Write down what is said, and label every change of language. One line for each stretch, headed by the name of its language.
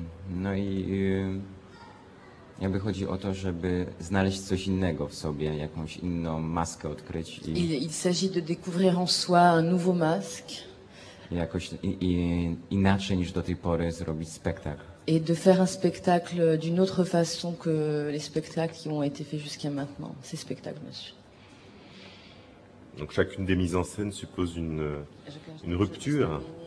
Polish: No i jakby chodzi o to, żeby znaleźć coś innego w sobie, jakąś inną maskę odkryć.
French: Il s'agit de découvrir en soi un nouveau masque.
Polish: Jakoś inaczej niż do tej pory zrobić spektakl.
French: Et de faire un spectacle d'une autre façon que les spectacles qui ont été faits jusqu'à maintenant, ces spectacles, monsieur. Donc chacune des mises en scène suppose une rupture.